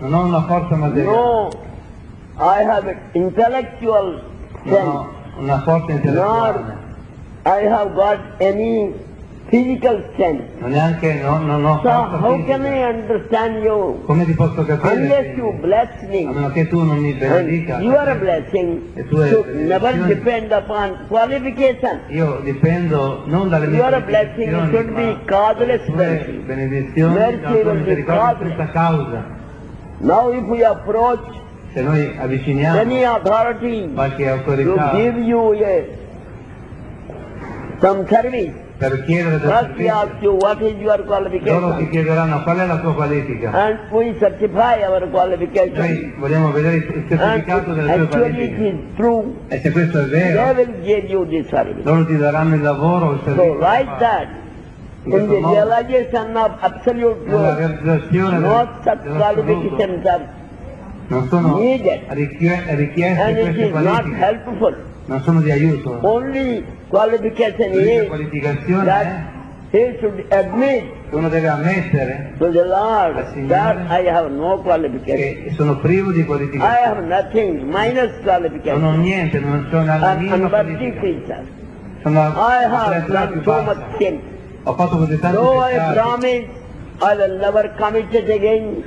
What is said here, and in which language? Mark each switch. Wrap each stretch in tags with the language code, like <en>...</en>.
<en>No, I have intellectual strength. Nor I have got any physical sense.</en> <it>Neanche, no,</it> <en>so how can I understand you?</en> <it>Come ti posso capire?</it> <en>Unless you bless me.</en> <it>A meno che tu non mi benedica.</it> <en>You are a blessing.</en> <it>E tu</it> <en>so never depend upon qualification.</en> <it>Io dipendo non dalle mie.</it> <en>You are a blessing. You should be causeless benedizione. Mercy will be causeless. Now if we approach,</en> <it>se noi avviciniamo</it> <en>any authority,</en> <it>qualche autorità,</it> <en>to give you a some service.</en> <it>Per chiedere del</it> <en>servizio, what is your qualification?</en> <it>Loro ti chiederanno qual è la tua qualifica.</it> <en>And we certify our qualification.</en> <it>Noi vogliamo vedere il certificato delle tue qualifiche.</it> <en>True,</en> <it>e se questo è vero,</it> <en>they will give you this service.</en> <it>Loro ti daranno il lavoro o il servizio.</it> <en>So write that. In the realization of absolute truth, not such qualifications are needed.</en> <it>Richieste</it> <en>and it is not helpful.</en> <it>Non sono di aiuto.</it> <en>Only qualification is that he should admit</en> <it>uno deve ammettere</it> <en>to the Lord</en> <it>Signore</it> <en>that I have no qualification.</en> <it>Che sono privo di qualificazione. I have nothing, minus qualification. Non ho niente, non sono la mia qualifica.</it> <en>I have done so much sin.</en> <it>Ho fatto così tanti peccati.</it> <en>Though I promise I will never commit it again.</en>